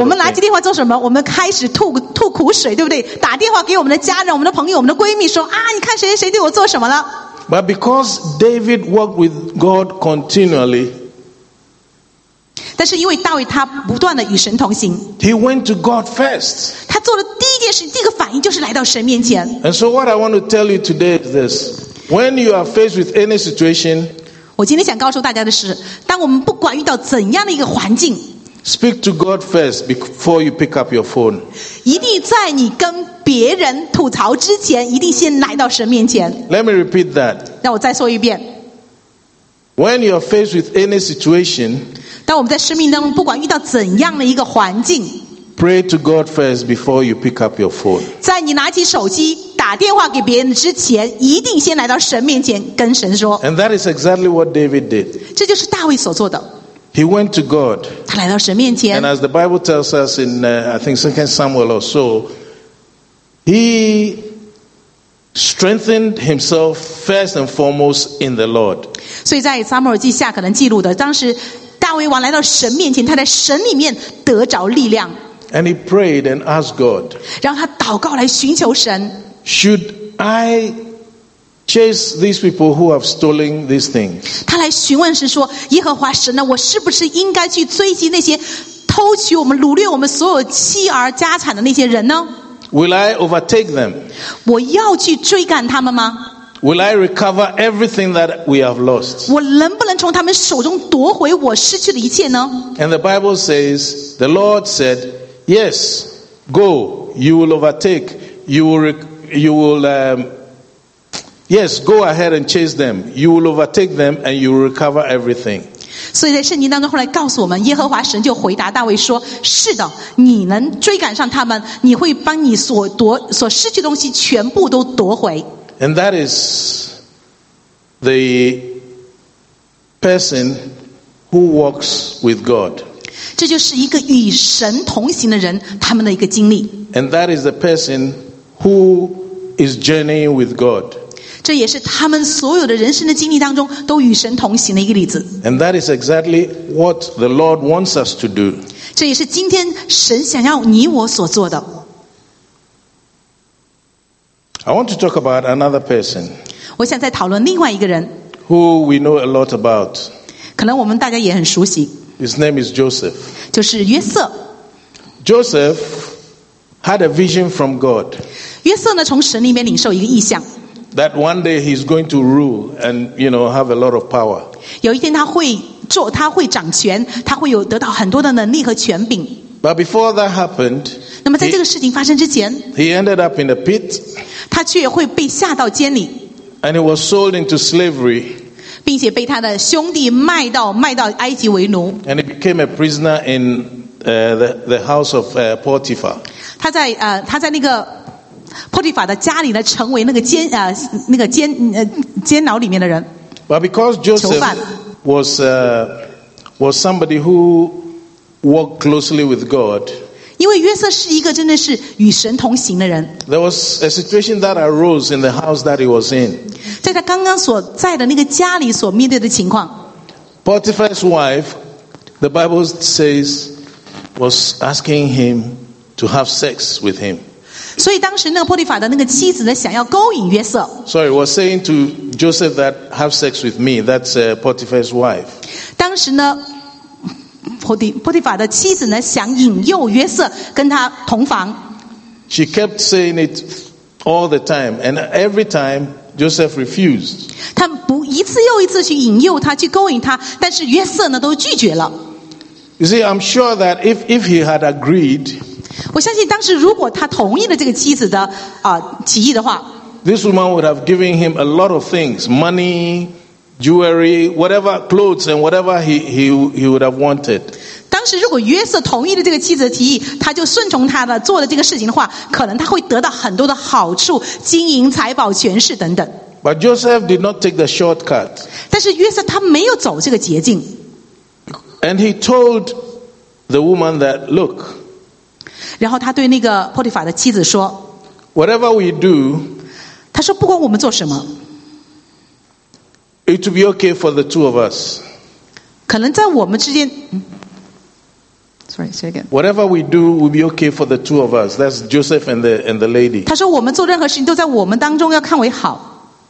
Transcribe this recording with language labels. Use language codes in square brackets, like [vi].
[zh] 我们拿起电话做什么？我们开始吐苦水，对不对？打电话给我们的家人、我们的朋友、我们的闺蜜，说啊，你看谁谁对我做什么了。 [en] But because David worked with God continually. [zh] 但是因为大卫他不断的与神同行。 [en] He went to God first. [zh] 他做的第一件事，第一个反应就是来到神面前。 [en] And so what I want to tell you today is this. When you are faced with any situation, [zh] 我今天想告诉大家的是，当我们不管遇到怎样的一个环境 [en] Speak to God first before you pick up your phone. [zh] 一定在你跟别人吐槽之前，一定先来到神面前。 [en] Let me repeat that. [zh] 让我再说一遍。 [en] When you are faced with any situation, [zh] 当我们在生命当中不管遇到怎样的一个环境。 [en] Pray to God first before you pick up your phone. [zh] 在你拿起手机打电话给别人之前，一定先来到神面前跟神说。 [en] And that is exactly what David did. [zh] 这就是大卫所做的。 [en] He went to God. [zh] 他来到神面前。 [en] And as the Bible tells us in, I think 2 Samuel or so, he strengthened himself first and foremost in the Lord. [zh] 所以在撒母耳记下可能记录的，当时大卫王来到神面前，他在神里面得着力量。 [en] And he prayed and asked God. [zh] 让他祷告来寻求神。 [en] Should I chase these people who have stolen these things? [zh] 他来询问神说：“耶和华神呢，我是不是应该去追击那些偷取我们、掳掠我们所有妻儿家产的那些人呢 [en] ？”Will I overtake them? [zh] 我要去追赶他们吗 [en] ？Will I recover everything that we have lost? [zh] 我能不能从他们手中夺回我失去的一切呢 [en] ？And the Bible says, the Lord said. Yes, go. You will overtake. Yes, go ahead and chase them. You will overtake them, and you will recover everything. [zh] 所以在圣经当中，后来告诉我们，耶和华神就回答大卫说：“是的，你能追赶上他们，你会把你所失去的东西全部都夺回。” [en] And that is the person who walks with God. [zh] 这就是一个与神同行的人他们的一个经历 [en] and that is the person who is journeying with God [zh] 这也是他们所有的人生的经历当中都与神同行的一个例子 [en] and that is exactly what the Lord wants us to do [zh] 这也是今天神想要你我所做的 [en] I want to talk about another person [zh] 我想再讨论另外一个人 [en] who we know a lot about [zh] 可能我们大家也很熟悉 [en] His name is Joseph. [zh] 就是约瑟。 [en] Joseph had a vision from God. [zh] 约瑟呢，从神里面领受一个意象。 [en] That one day he's going to rule and you know have a lot of power. [zh] 有一天他会做，他会掌权，他会有得到很多的能力和权柄。 [en] But before that happened, [zh] 那么在这个事情发生之前 [en] he ended up in a pit. [zh] 他却会被下到监里。 [en] And he was sold into slavery. [zh] 并且被他的兄弟卖到埃及为奴。 [en] And he became a prisoner in the house of Potiphar. [zh] 他在那个 Potiphar 的家里呢，成为那个监牢里面的人。 [en] But because Joseph was somebody who worked closely with God. [zh] 因为约瑟是一个真的是与神同行的人。 [en] There was a situation that arose in the house that he was in. [zh] 在他刚刚所在的那个家里所面对的情况 [en] Potiphar's wife the Bible says was asking him to have sex with him [zh] 所以当时那个波提法的那个妻子呢想要勾引约瑟 [en] sorry was saying to Joseph that have sex with me that's Potiphar's wife [zh] 当时呢波提法的妻子呢想引诱约瑟跟他同房 [en] she kept saying it all the time and every timeJoseph refused. [zh] 他不一次又一次去引诱他，去勾引他，但是约瑟呢都拒绝了。 [en] You see, I'm sure that if he had agreed, [zh] 我相信当时如果他同意了这个妻子的提议的话 [en] ，this woman would have given him a lot of things, money, jewelry, whatever clothes and whatever he would have wanted. [zh] 当时如果约瑟同意了这个妻子的提议，他就顺从他的做了这个事情的话，可能他会得到很多的好处，金银财宝、权势等等。 [en] But Joseph did not take the shortcut. [zh] 但是约瑟他没有走这个捷径。 [en] And he told the woman that, look. [zh] 然后他对那个波提法的妻子说 [en] ，Whatever we do， [zh] 他说不管我们做什么 [en] ，It will be okay for the two of us. [zh] 可能在我们之间。 [en] Sorry, say again. Whatever we do will be okay for the two of us. That's Joseph and the lady. [zh] 他说我们做任何事情都在我们当中要看为好。